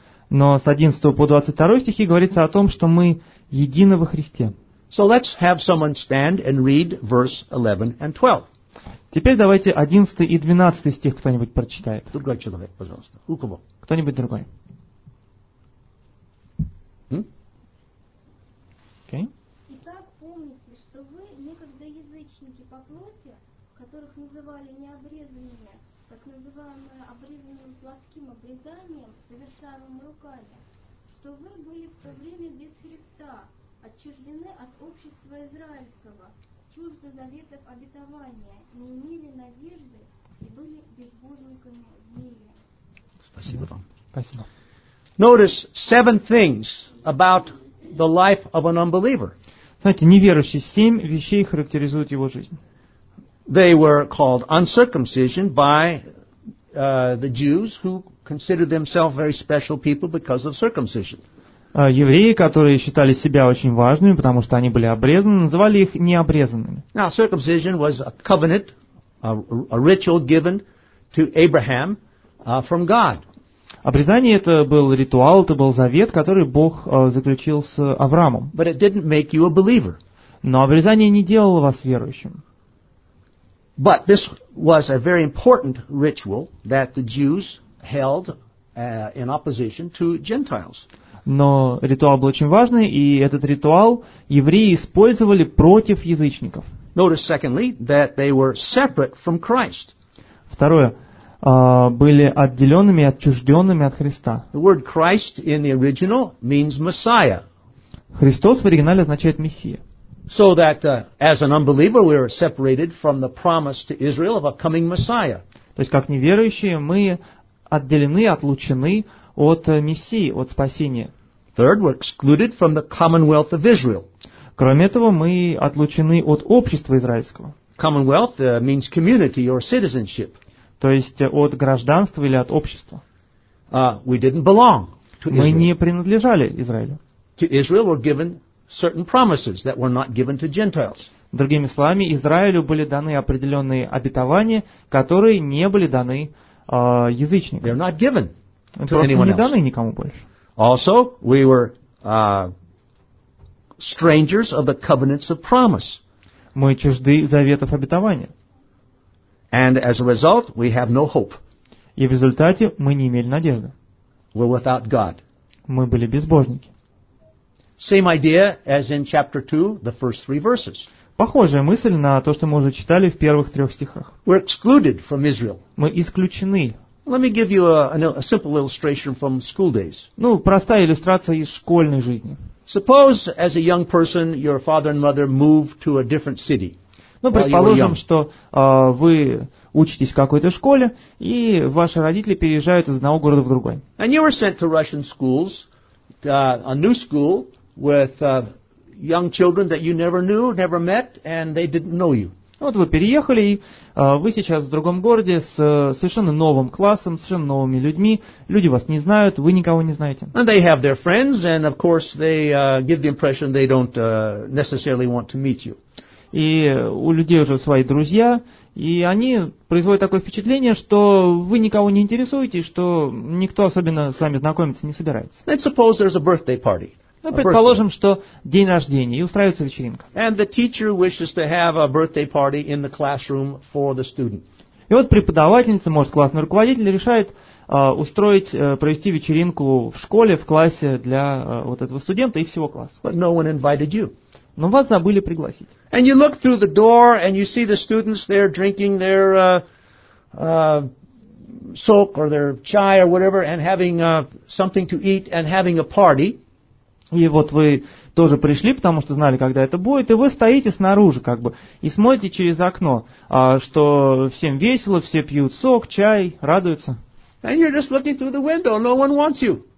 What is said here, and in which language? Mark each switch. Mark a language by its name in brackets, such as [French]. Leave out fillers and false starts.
[Russian] Но с 11 по 22 стихи говорится о том, что мы едины во Христе. [English] So let's have someone stand and read verse 11 and 12. [Russian] Теперь давайте 11 и 12 стих кто-нибудь прочитает. Другой человек, пожалуйста. У кого? Кто-нибудь другой. [English] Okay. [Russian] Итак, помните, что вы некогда язычники по плоти, которых называли необрезанными, так называемые обрезанным плотским обрезанием, совершаемым руками, что вы были в то время без Христа, отчуждены от общества израильского, чужды заветов обетования, не имели надежды и были безбожниками в мире. Спасибо вам. Спасибо. [English] Notice seven things about the life of an unbeliever. [Russian] Знаете, неверующий семь вещей характеризует его жизнь. [English] They were called uncircumcision by the Jews who considered themselves very special people because of circumcision. [Russian] Евреи, которые считали себя очень важными, потому что они были обрезаны, называли их необрезанными. [English] Now, circumcision was a covenant, a ritual given to Abraham from God. [Russian] Обрезание это был ритуал, это был завет, который Бог заключил с Авраамом. [English] But it didn't make you a believer. [Russian] Но обрезание не делало вас верующим. [English] But this was a very important ritual that the Jews held in opposition to Gentiles. [Russian] Но ритуал был очень важный, и этот ритуал евреи использовали против язычников. [English] Notice secondly that they were separate from Christ. [Russian] Второе. Были отделенными, отчужденными от Христа. [English] The word Christ in the original means Messiah. [Russian] Христос в оригинале означает Мессия. [English] So that as an unbeliever we are separated from the promise to Israel of a coming Messiah. [Russian] То есть как неверующие мы отделены, отлучены от Мессии, от спасения. [English] Third, we're excluded from the commonwealth of Israel. [Russian] Кроме этого, мы отлучены от общества израильского. [English] Commonwealth means community or citizenship. [Russian] То есть от гражданства или от общества. [English] We didn't belong to Israel. [Russian] Мы не принадлежали Израилю. [English] To Israel were given certain promises that were not given to Gentiles. [Russian] Другими словами, Израилю были даны определенные обетования, которые не были даны язычникам. [English] They're not given to anyone else. [Russian] Просто не даны никому больше. [English] Also, we were strangers of the covenants of promise. [Russian] Мы чужды заветов обетования. [English] And as a result, we have no hope. [Russian] И в результате мы не имели надежды. [English] We're without God. [Russian] Мы были безбожники. [English] Same idea as in chapter 2, the first three verses. [Russian] Похожая мысль на то, что мы уже читали в первых трех стихах. [English] We're excluded from Israel. [Russian] Мы исключены. [English] Let me give you a simple illustration from school days. [Russian] Ну, простая иллюстрация из школьной жизни. [English] Suppose as a young person your father and mother move to a different city. [Russian] Ну, предположим, что вы учитесь в какой-то школе, и ваши родители переезжают из одного города в другой. [English] And you were sent to Russian schools, a new school with young children that you never knew, never met, and they didn't know you. [Russian] Вот вы переехали, и вы сейчас в другом городе с совершенно новым классом, совершенно новыми людьми. Люди вас не знают, вы никого не знаете. [English] And they have their friends, and of course they give the impression they don't necessarily want to meet you. [Russian] И у людей уже свои друзья, и они производят такое впечатление, что вы никого не интересуете, что никто особенно с вами знакомиться не собирается. [English] Let's suppose there's a birthday party. [Russian] Ну, предположим, что день рождения, и устраивается вечеринка. [English] And the teacher wishes to have a birthday party in the classroom for the student. [Russian] И вот преподавательница, может, классный руководитель решает провести вечеринку в школе, в классе для вот этого студента и всего класса. [English] But no one invited you. [Russian] Но вас забыли пригласить. [English] And you look through the door and you see the students there drinking their soak or their chai or whatever and having something to eat and having a party. [Russian] И вот вы тоже пришли, потому что знали, когда это будет, и вы стоите снаружи, как бы, и смотрите через окно, что всем весело, все пьют сок, чай, радуются. [English] And you're just looking through the window, no one wants you.